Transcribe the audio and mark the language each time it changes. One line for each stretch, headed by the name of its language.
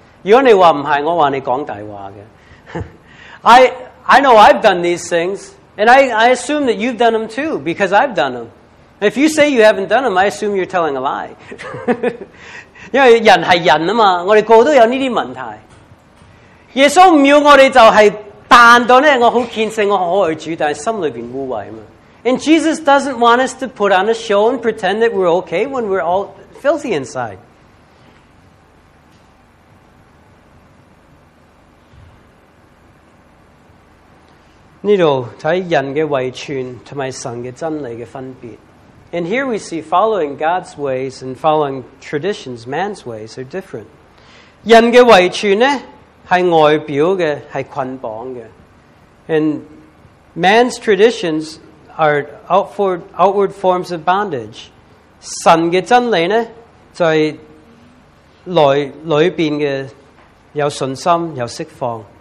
Cantonese: 如果你话唔系，我话你讲大话嘅。
English: I know I've done these things, and I assume that you've done them too, because I've done them. If you say you haven't done them, I assume you're telling a lie.
Cantonese: 因为人系人啊嘛，我哋个个都有呢啲问题。耶稣唔要我哋就系扮到咧，我好虔诚，我好爱主，但系心里边污秽啊嘛。
English: And Jesus doesn't want us to put on a show and pretend that we're okay when we're all filthy inside.
Cantonese: 呢度睇人嘅遗传同埋神嘅真理嘅分别。
English: And here we see following God's ways and following traditions, man's ways are different.
Cantonese: 人嘅遗传呢系外表嘅，系捆绑嘅。
English: And man's traditions are outward forms of bondage.
Cantonese: 神嘅真理呢就系里边嘅有信心有释放。